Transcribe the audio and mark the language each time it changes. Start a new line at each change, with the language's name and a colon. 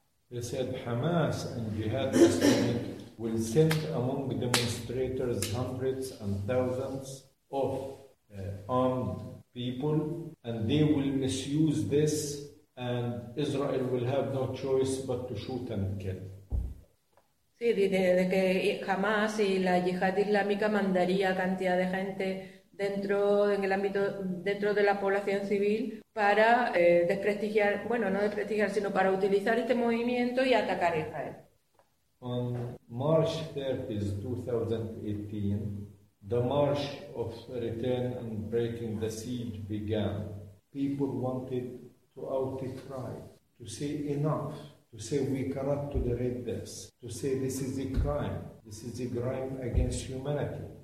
English: He said Hamas and Jihad will send among demonstrators hundreds and thousands of armed people, and they will misuse this, and Israel will have no choice but to shoot and kill.
Spanish: Sí, dice de que jamás y la yihad islámica mandaría cantidad de gente dentro en el ámbito dentro de la población civil para desprestigiar, bueno, no desprestigiar, sino para utilizar este movimiento y atacar a Israel.
English: On March 30, 2018, the march of return and breaking the siege began. People wanted to out it right, to say enough, to say we cannot tolerate this, to say this is a crime, this is a crime against humanity.